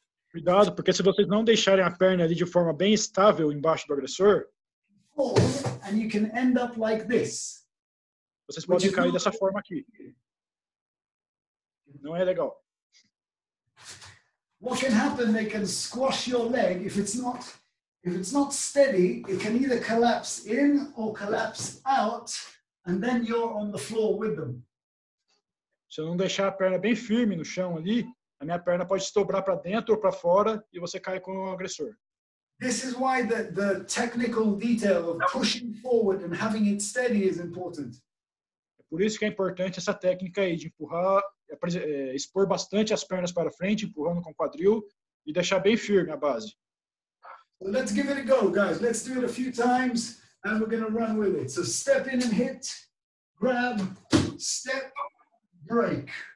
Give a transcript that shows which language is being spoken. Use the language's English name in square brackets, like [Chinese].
[Portuguese] Cuidado, porque se vocês não deixarem a perna ali de forma bem estável embaixo do agressor, [English] fall, and you can end up like this. [Portuguese] Vocês podem cair dessa forma aqui. Não é legal. [English] What can happen, they can squash your leg. If it's not steady, it can either collapse in or collapse out, and then you're on the floor with them. [Portuguese] Se eu não deixar a perna bem firme no chão ali, a minha perna pode estobrar para dentro ou para fora e você cai com o agressor. [English] This is why the technical detail of pushing forward and having it steady is important. [Portuguese] Por isso que é importante essa técnica aí de empurrar, expor bastante as pernas para frente, empurrando com o quadril e deixar bem firme a base. [English] So let's give it a go, guys. Let's do it a few times and we're going to run with it. So step in and hit, grab, step, break.